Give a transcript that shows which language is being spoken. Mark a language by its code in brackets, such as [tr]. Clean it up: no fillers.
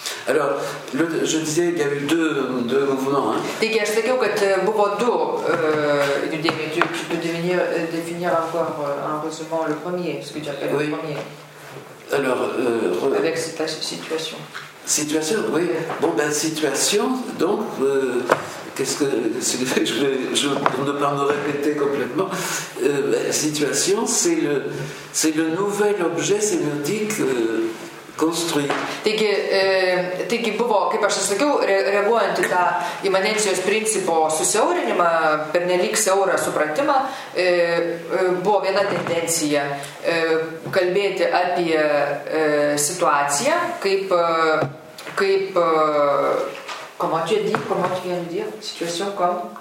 [fr] Alors, je disais qu'il y a eu deux mouvements. Hein. [lt] Taigi, aš sakiau, kad buvo du judėjimai. [fr] Tu peux définir encore un résumant le premier, ce que tu appelles oui. Le premier. Alors, avec cette situation. Situation, oui. Bon, ben, situation, donc, qu'est-ce que... Je pour ne pas me répéter complètement. Situation, c'est le nouvel objet sémiotique... construit. [lt] Taigi buvo, kaip aš sakiau, reaguojant į tą imanencijos principo susiaurinimą, per nelyg siaurą supratimą, buvo viena tendencija kalbėti apie situaciją, kaip [fr] comment tu as dit, comment tu viens de dire, situation comme?